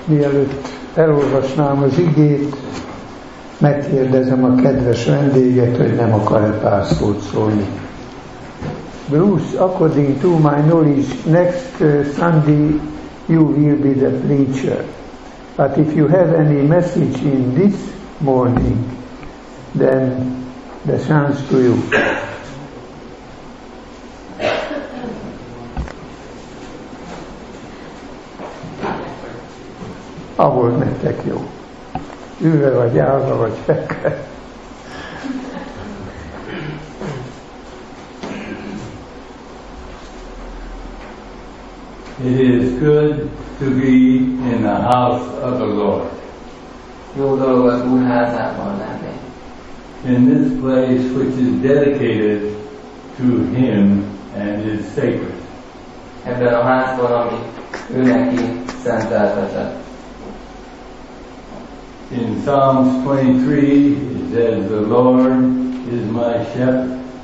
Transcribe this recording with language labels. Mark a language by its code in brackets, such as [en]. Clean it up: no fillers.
[hu] Mielőtt elolvasnám az igét, megkérdezem a kedves vendéget, hogy nem akar-e pár szót szólni. [en] Bruce, according to my knowledge, next Sunday you will be the preacher. But if you have any message in this morning, then the chance to you. [hu] Ahol nektek jó. Ülve vagy állva vagy fekve. [en] It is good to be in the house of the Lord. [hu] Jó dolog az Úr házában lenni. [en] In this place which is dedicated to Him and is sacred. [hu] Ebben a házban, ami ő neki szenteltetett. [en] In Psalms 23, it says, "The Lord is my shepherd."